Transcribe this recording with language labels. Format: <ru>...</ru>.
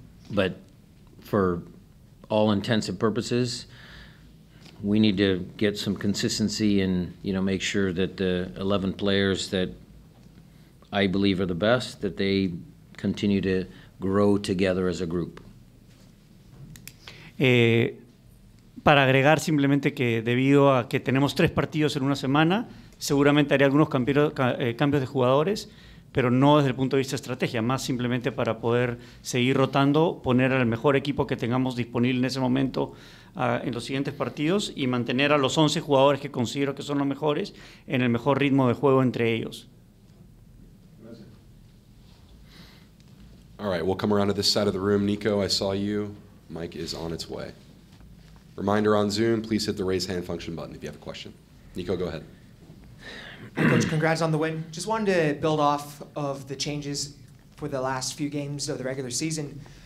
<en>But for all intents and purposes, we need to get some consistency and, you know, make sure that the 11 players that I believe are the best, that they continue to grow together as a group.</en> <es>Para agregar simplemente que debido a que tenemos tres partidos en una semana, seguramente haré algunos cambios de jugadores, pero no desde el punto de vista de estrategia, más simplemente para poder seguir rotando, poner al mejor equipo que tengamos disponible en ese momento en los siguientes partidos y mantener a los 11 jugadores que considero que son los mejores en el mejor ritmo de juego entre ellos. Gracias.</es> <en>All right, we'll come around to this side of the room. Nico, I saw you. Mike is on its way. Reminder on Zoom, please hit the raise hand function button if you have a question. Nico, go ahead. Coach, congrats on the win. Just wanted to build off of the changes for the last few games of the regular season.</en>